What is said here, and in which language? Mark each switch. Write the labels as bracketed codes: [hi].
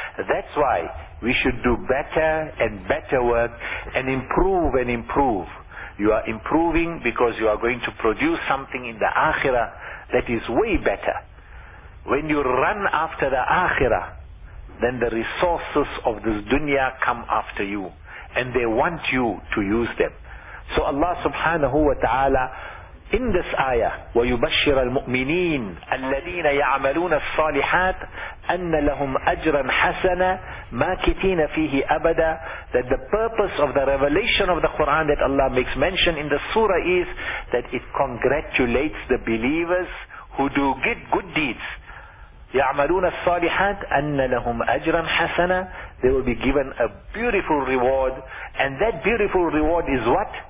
[en] That's why we should do better and better work, and improve and improve. You are improving because you are going to produce something in the akhirah that is way better. When you run after the akhirah, then the resources of this dunya come after you, and they want you to use them. So Allah subhanahu wa ta'ala in this ayah, [ar] وَيُبَشِّرَ الْمُؤْمِنِينَ الَّذِينَ يَعْمَلُونَ الصَّالِحَاتِ أَنَّ لَهُمْ أَجْرًا حَسَنًا مَاكِتِينَ فِيهِ أَبَدًا. [en] That the purpose of the revelation of the Quran that Allah makes mention in the surah is that it congratulates the believers who do good deeds. [ar] يَعْمَلُونَ الصَّالِحَاتِ أَنَّ لَهُمْ أَجْرًا حَسَنًا. [en] They will be given a beautiful reward. And that beautiful reward is what?